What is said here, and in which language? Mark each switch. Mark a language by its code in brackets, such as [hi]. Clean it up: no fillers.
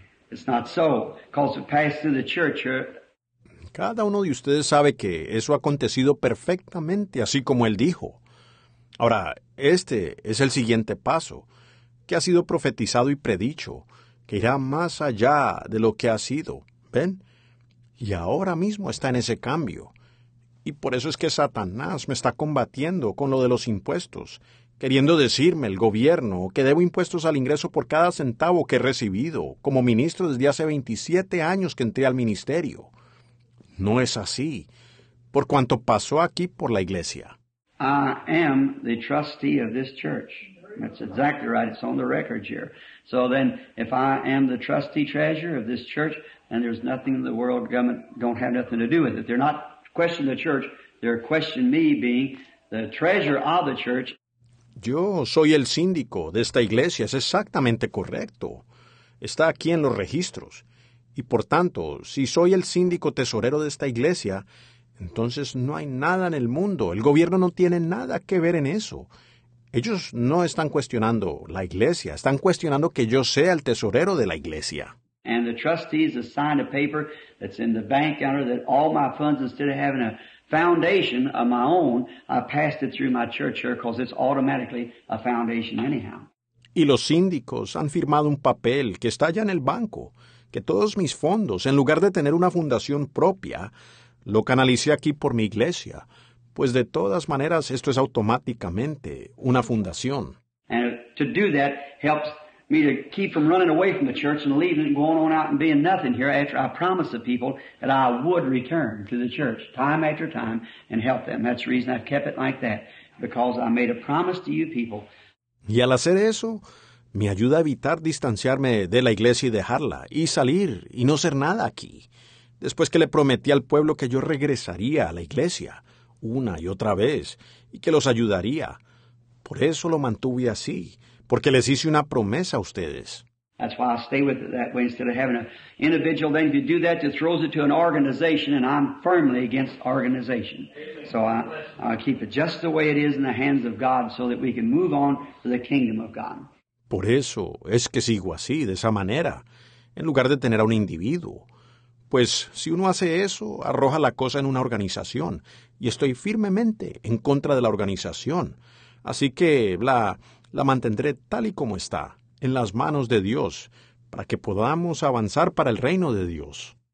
[en] It's not so, because it passed through the church. [es] Cada uno de ustedes sabe que eso ha acontecido perfectamente, así como él dijo. Ahora, este es el siguiente paso, que ha sido profetizado y predicho, que irá más allá de lo que ha sido, ¿ven? Y ahora mismo está en ese cambio. Y por eso es que Satanás me está combatiendo con lo de los impuestos, queriendo decirme el gobierno que debo impuestos al ingreso por cada centavo que he recibido como ministro desde hace 27 años que entré al ministerio. No es así, por cuanto pasó aquí por la iglesia. [en] I am the trustee of this church. That's exactly right. It's on the record here. So then, if I am the trustee treasurer of this church, then there's nothing in the world government don't have nothing to do with it. They're not questioning the church. They're questioning me being the treasurer of the church. [es] Yo soy el síndico de esta iglesia. Es exactamente correcto. Está aquí en los registros. Y por tanto, si soy el síndico tesorero de esta iglesia, entonces no hay nada en el mundo. El gobierno no tiene nada que ver en eso. Ellos no están cuestionando la iglesia. Están cuestionando que yo sea el tesorero de la iglesia. [en] And the trustees have signed a paper that's in the bank counter that all my funds, instead of having a foundation of my own, I passed it through my church here because it's automatically a foundation anyhow. [es] Y los síndicos han firmado un papel que está ya en el banco, que todos mis fondos, en lugar de tener una fundación propia, lo canalicé aquí por mi iglesia. Pues de todas maneras, esto es automáticamente una fundación. [en] And to do that helps me to keep from running away from the church and leaving and going on out and being nothing here after I promised the people that I would return to the church time after time and help them. That's the reason I've kept it like that, because I made a promise to you people. [es] Y al hacer eso, me ayuda a evitar distanciarme de la iglesia y dejarla, y salir y no ser nada aquí, después que le prometí al pueblo que yo regresaría a la iglesia una y otra vez, y que los ayudaría. Por eso lo mantuve así, porque les hice una promesa a ustedes. [en] That's why I stay with it that way instead of having an individual. Then if you do that, it throws it to an organization, and I'm firmly against organization. So I keep it just the way it is in the hands of God so that we can move on to the kingdom of God. [es] Por eso es que sigo así, de esa manera, en lugar de tener a un individuo. Pues si uno hace eso, arroja la cosa en una organización, y estoy firmemente en contra de la organización. Así que la mantendré tal y como está, en las manos de Dios, para que podamos avanzar para el reino de Dios.